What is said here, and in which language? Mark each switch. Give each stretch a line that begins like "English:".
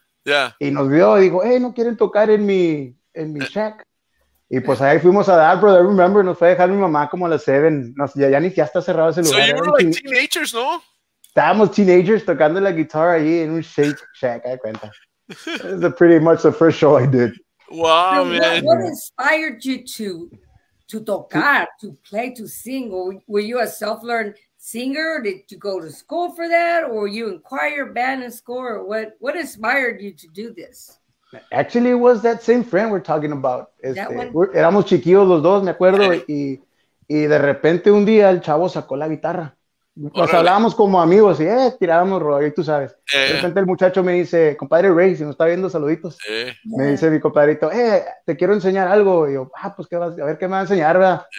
English: Yeah.
Spanish: Y nos vio y dijo, hey, ¿no quieren tocar en mi shack? Y pues ahí fuimos a dar, brother, remember, nos fue a dejar mi mamá como a las 7, ya ni siquiera está cerrado ese lugar.
English: So you were like teenagers, ¿no?
Spanish: Estábamos teenagers tocando la guitarra ahí en un shake shack, I cuenta.
English: This is pretty much the first show I did. Wow, so, man. What inspired you to tocar, to play, to sing? Were you a self-learned singer? Did you go to school for that? Or were you in choir, band, and score? What inspired you to do this? Actually, it was that same friend we're talking about.
Spanish: Éramos chiquillos los dos, me acuerdo, y de repente un día el chavo sacó la guitarra. Nos hablábamos como amigos y tirábamos rollo, tú sabes. De repente el muchacho me dice, compadre Ray, si nos está viendo, saluditos. Me dice mi compadrito, te quiero enseñar algo. Y yo, pues qué vas a ver, qué me va a enseñar, ¿verdad?